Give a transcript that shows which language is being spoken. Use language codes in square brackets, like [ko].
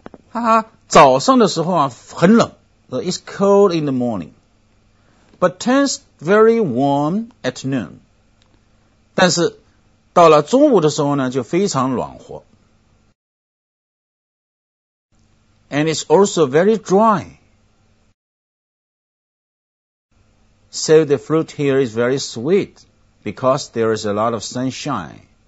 [zh] 哈哈，早上的时候啊，很冷。 [en] It's cold in the morning, but turns very warm at noon. [zh] 但是到了中午的时候呢，就非常暖和。 [en] And it's also very dry. So the fruit here is very sweet. Because there is a lot of sunshine.